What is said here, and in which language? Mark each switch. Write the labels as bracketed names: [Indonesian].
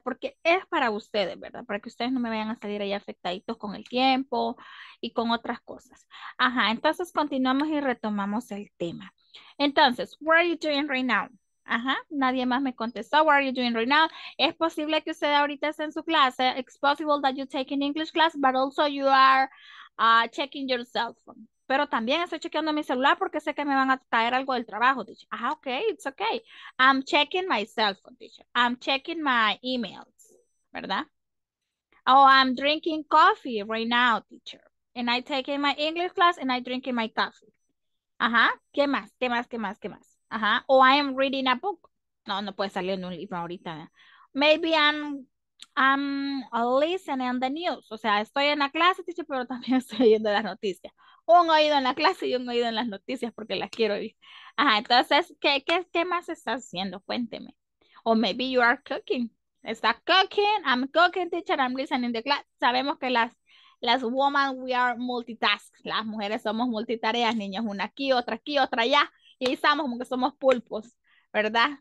[Spanish] Porque es para ustedes, ¿verdad? Para que ustedes no me vayan a salir ahí afectaditos con el tiempo y con otras cosas. Ajá, entonces continuamos y retomamos el tema. Entonces, [English] what are you doing right now? [Spanish] Ajá, nadie más me contestó. [English] What are you doing right now? [Spanish] Es posible que usted ahorita esté en su clase. [English] It's possible that you're taking English class, but also you are checking your cell phone. [Spanish] Pero también estoy chequeando mi celular porque sé que me van a traer algo del trabajo, teacher. [English] Ah, ok, it's ok. I'm checking my cell phone, teacher. I'm checking my emails, [Spanish] ¿verdad? [English] Oh, I'm drinking coffee right now, teacher. And I'm taking my English class and I'm drinking my coffee. [Spanish] Ajá, ¿qué más? ¿Qué más? ¿Qué más? ¿Qué más? Ajá, o [English] I am reading a book. [Spanish] No, no puede salir en un libro ahorita. [English] Maybe I'm listening the news. [Spanish] O sea, estoy en la clase, teacher, pero también estoy oyendo las noticias. Un oído en la clase y un oído en las noticias porque las quiero oír. Ajá, entonces, ¿qué más estás haciendo? Cuénteme. [English] O maybe you are cooking. Está cooking, I'm cooking, teacher, I'm listening the class. [Spanish] Sabemos que las [English] women, we are multitask. [Spanish] Las mujeres somos multitareas, niñas, una aquí, otra allá. Y ahí estamos como que somos pulpos, ¿verdad?